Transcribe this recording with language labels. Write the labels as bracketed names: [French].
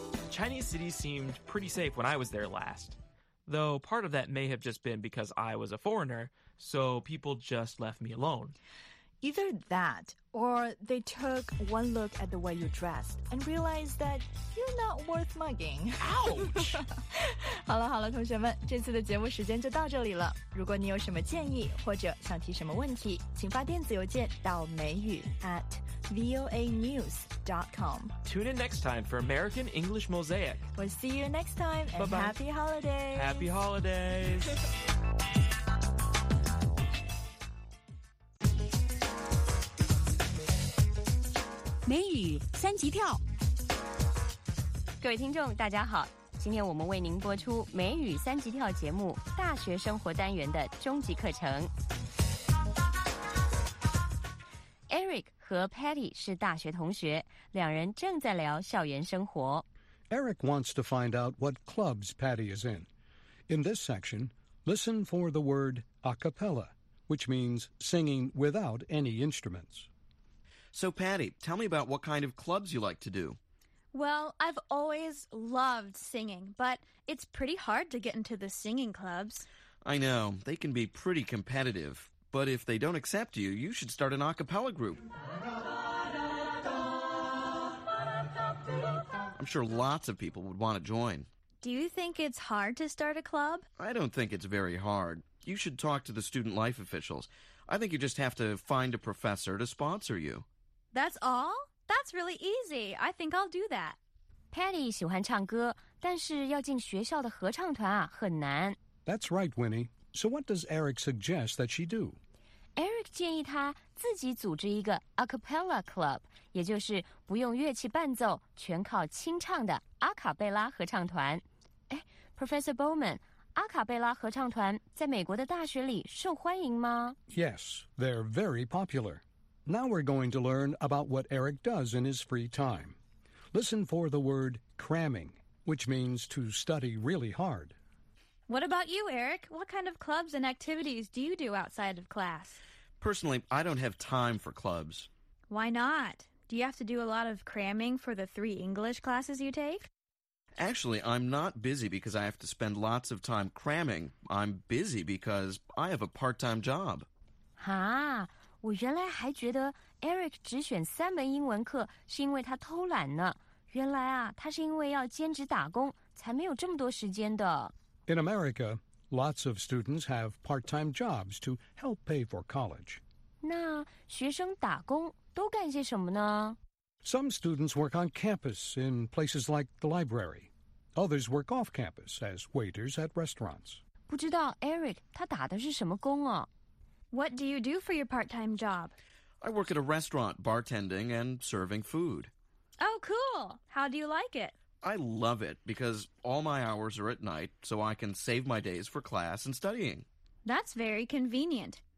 [English] Chinese cities seemed pretty safe when I was there last. Though part of that may have just been because I was a foreigner, so people just left me alone. Either that, or they took one look at the way you dressed and realized that you're not worth mugging. Ouch! [Chinese] 好了好了，同学们，这次的节目时间就到这里了。如果你有什么建议或者想提什么问题，请发电子邮件到美语 @voanews.com. [English] Tune in next time for American English Mosaic. We'll see you next time and bye bye. Happy holidays! Happy holidays! [Chinese] 美语三级跳。各位听众大家好，今天我们为您播出美语三级跳节目大学生活单元的终极课程。 Eric 和 Patty 是大学同学，两人正在聊校园生活。 [English] Eric wants to find out what clubs Patty is in. In this section, listen for the word a cappella, which means singing without any instruments. So Patty, tell me about what kind of clubs you like to do. Well, I've always loved singing, but it's pretty hard to get into the singing clubs. I know. They can be pretty competitive. But if they don't accept you, you should start an a cappella group. I'm sure lots of people would want to join. Do you think it's hard to start a club? I don't think it's very hard. You should talk to the student life officials. I think you just have to find a professor to sponsor you. That's all? That's really easy. I think I'll do that. [Chinese] Patty 喜欢唱歌，但是要进学校的合唱团啊，很难。 [English] That's right, Winnie. So what does Eric suggest that she do? [Chinese] Eric 建议他自己组织一个 a cappella club, 也就是不用乐器伴奏，全靠清唱的阿卡贝拉合唱团。哎 ，Professor Bowman, 阿卡贝拉合唱团在美国的大学里受欢迎吗 [English] ？Yes, they're very popular. Now we're going to learn about what Eric does in his free time. Listen for the word cramming, which means to study really hard. What about you, Eric? What kind of clubs and activities do you do outside of class? Personally, I don't have time for clubs. Why not? Do you have to do a lot of cramming for the three English classes you take? Actually, I'm not busy because I have to spend lots of time cramming. I'm busy because I have a part-time job. Huh? [Chinese] 我原来还觉得 Eric 只选三门英文课是因为他偷懒呢。原来啊，他是因为要兼职打工，才没有这么多时间的。 [English] In America, lots of students have part-time jobs to help pay for college. [Chinese] 那学生打工都干些什么呢？ [English] Some students work on campus in places like the library. Others work off campus as waiters at restaurants. [Chinese] 不知道 Eric 他打的是什么工啊？ [English] What do you do for your part-time job? I work at a restaurant, bartending and serving food. Oh, cool. How do you like it? I love it because all my hours are at night, so I can save my days for class and studying. That's very convenient.